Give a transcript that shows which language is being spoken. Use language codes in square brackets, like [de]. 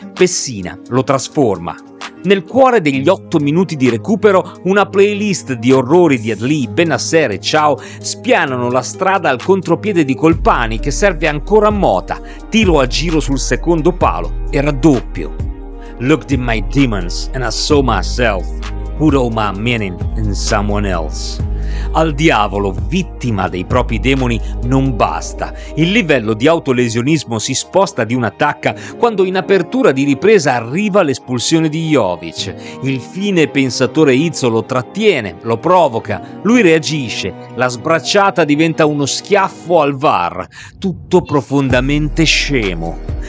[it] Pessina lo trasforma. Nel cuore degli 8 minuti di recupero, una playlist di orrori di Adli, Bennacer e Ciao spianano la strada al contropiede di Colpani che serve ancora a Mota, tiro a giro sul secondo palo e raddoppio. [en] Looked in my demons and I saw myself, put all my meaning in someone else. [it] Al diavolo, vittima dei propri demoni, non basta. Il livello di autolesionismo si sposta di una tacca quando in apertura di ripresa arriva l'espulsione di Jovic. Il fine pensatore Izzo lo trattiene, lo provoca, lui reagisce, la sbracciata diventa uno schiaffo al VAR, tutto profondamente scemo.